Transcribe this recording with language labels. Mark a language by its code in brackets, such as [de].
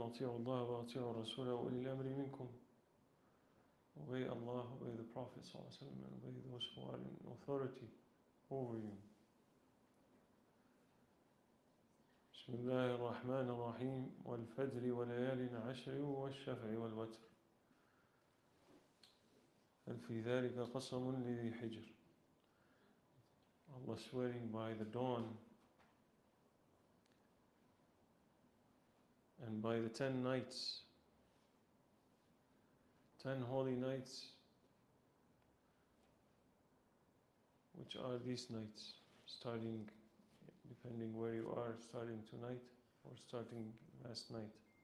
[ar] أطيعوا الله وأطيعوا الرسول وأولي الأمر منكم. [en] Obey Allah, obey the Prophet ﷺ, and obey those who are in authority over you. [ar] بسم الله الرحمن الرحيم والفجر وليال عشر والشفع والوتر هل في ذلك قسم لذي حجر. [en] Allah swearing by the dawn and by the 10 nights, 10 holy nights, which are these nights, starting, depending where you are, starting tonight or starting last night.